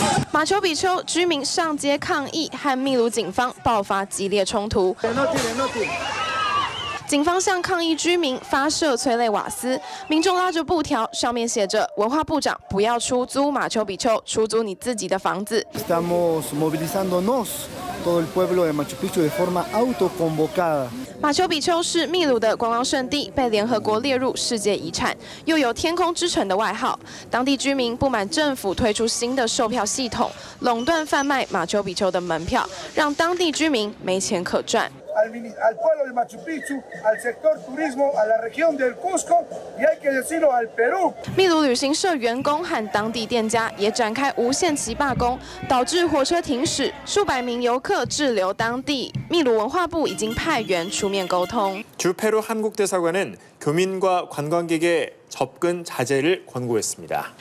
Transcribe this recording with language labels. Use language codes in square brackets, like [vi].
[zh] 马丘比丘居民上街抗议，和秘鲁警方爆发激烈冲突。警方向抗议居民发射催泪瓦斯，民众拉着布条，上面写着：“文化部长，不要出租马丘比丘，出租你自己的房子。” [es] Estamos movilizándonos todo el pueblo de Machu Picchu de forma autoconvocada. [zh] 马丘比丘是秘鲁的观光圣地，被联合国列入世界遗产，又有天空之城的外号。当地居民不满政府推出新的售票系统，垄断贩卖马丘比丘的门票，让当地居民没钱可赚。 [es] Al pueblo de Machu Picchu, al sector turismo, a la región del Cusco, y hay que decirlo al Perú. [zh] 秘鲁旅行社员工和当地店家也展开无限期罢工，导致火车停驶，数百名游客滞留当地。秘鲁文化部已经派员出面沟通。 [ko] 주페루한국대사관은교민과관광객의접근자제를권고했습니다。